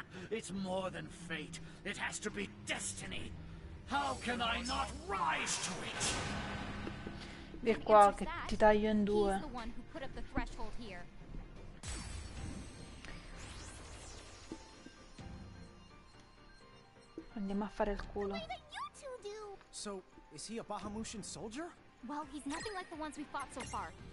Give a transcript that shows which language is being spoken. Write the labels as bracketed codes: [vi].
[en] It's more than fate, it has to be destiny. How can I not rise to it? [it] Vi qua che ti taglio in due. [en] He's the one who put up the threshold here. [it] Andiamo a fare il culo. [en] So, is he a Bahamutian soldier? Well, he's nothing like the ones we fought so far.